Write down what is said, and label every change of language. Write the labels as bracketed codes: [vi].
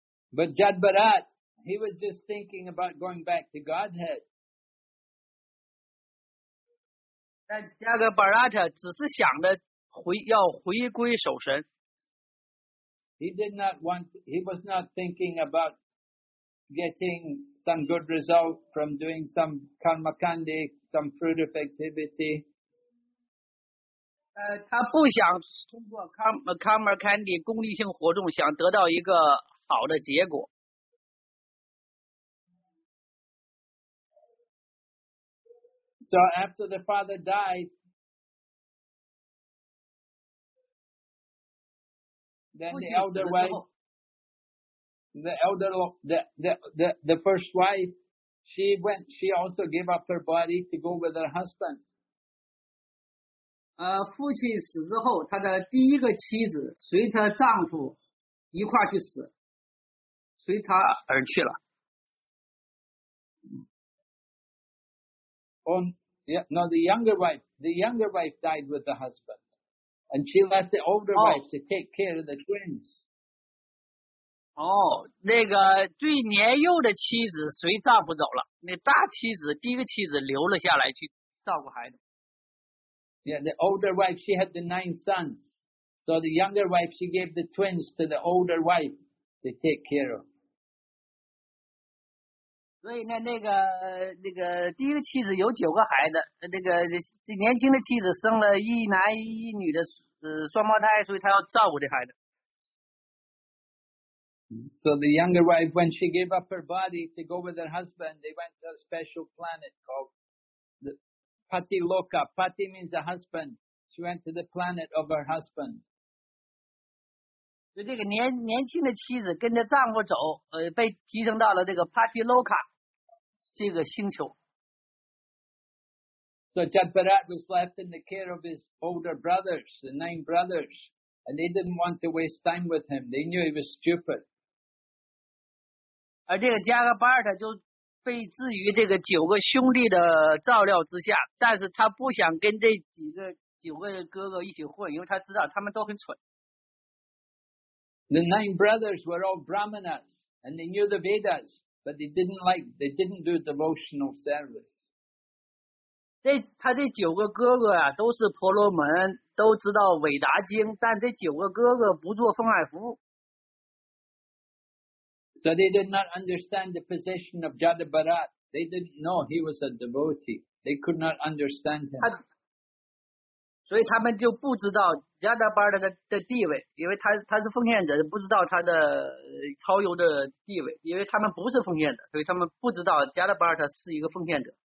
[en] But Jad Bharat, he was just thinking about going back to Godhead. [zh] 但加格巴拉特只是想着要回归守神。 [en] He was not thinking about getting some good result from doing some karmakandi, some fruit of activity. [zh] 他不想通过 karmakandi 功利性活动想得到一个好的结果。 [en] So after the father died,Then the elder wife, the first wife, she also gave up her body to go with her husband. [zh] 父亲死之后，他的第一个妻子随他丈夫一块去死，随他而去了。 [en] The younger wife, the younger wife died with the husband. And she left the older wife to take care of the twins. [zh] 那个最年幼的妻子随丈夫走了，那大妻子第一个妻子留了下来去照顾孩子。 [en] Yeah, the older wife, she had the 9 sons. So the younger wife, she gave the twins to the older wife to take care of. [zh] 所以那个第一个妻子有9个孩子，这年轻的妻子生了一男一女的双胞胎，所以她要照顾这孩子。 [en] So the younger wife, when she gave up her body to go with her husband, they went to a special planet called the Pati Loka. Pati means the husband. She went to the planet of her husband. [zh] 所以这个年轻的妻子跟着丈夫走，被提升到了这个 Pati Loka 这个星球。 [en] So Jad Bharat was left in the care of his older brothers, the 9 brothers, and they didn't want to waste time with him. They knew he was stupid. [zh] 而这个加格巴尔特就被置于这个九个兄弟的照料之下，但是他不想跟这几个九个哥哥一起混，因为他知道他们都很蠢。 [en] The 9 brothers were all Brahmanas, and they knew the Vedas, but they didn't do devotional service. [zh] 他这九个哥哥啊，都是婆罗门，都知道韦达经，但这九个哥哥不做奉爱服务。 [en] So they did not understand the position of Jad Bharat. They didn't know he was a devotee. They could not understand him. [zh] 所以他们就不知道加达巴尔的地位，因为他是奉献者，不知道他的超游的地位，因为他们不是奉献者，所以他们不知道加达巴尔他是一个奉献者。